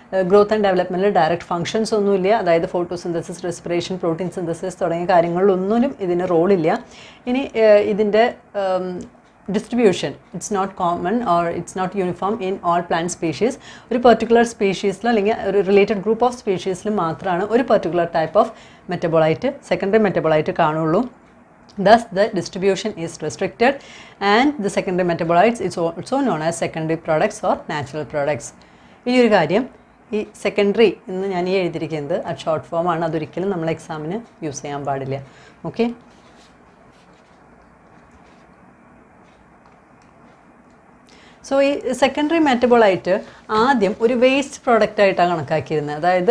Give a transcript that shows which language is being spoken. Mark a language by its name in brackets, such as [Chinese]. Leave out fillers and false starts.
[Malayalam] Growth and ഡെവലപ്മെൻറ്റിൽ direct functions ഒന്നുമില്ല, അതായത് photosynthesis, respiration, protein synthesis തുടങ്ങിയ കാര്യങ്ങളിലൊന്നിനും ഇതിന് റോളില്ല. ഇനി ഇതിൻ്റെ [English] Distribution, it's not common or it's not uniform in all plant species. [Malayalam] ഒരു പെർട്ടിക്കുലർ സ്പീഷീസിലും അല്ലെങ്കിൽ ഒരു റിലേറ്റഡ് ഗ്രൂപ്പ് ഓഫ് സ്പീഷീസിലും മാത്രമാണ് ഒരു particular type of metabolite, secondary metabolite കാണുള്ളൂ. [English] Thus, the distribution is restricted and the secondary metabolites is also known as secondary products or natural products. [Malayalam] ഈ ഒരു കാര്യം, ഈ സെക്കൻഡറി എന്ന് ഞാൻ ഈ എഴുതിയിരിക്കുന്നത് ആ ഷോർട്ട് ഫോമാണ്, അതൊരിക്കലും നമ്മൾ എക്സാമിന് യൂസ് ചെയ്യാൻ പാടില്ല. ഓക്കെ, സോ ഈ സെക്കൻഡറി മെറ്റബോളൈറ്റ് ആദ്യം ഒരു വേസ്റ്റ് പ്രോഡക്റ്റ് ആയിട്ടാണ് കണക്കാക്കിയിരുന്നത്.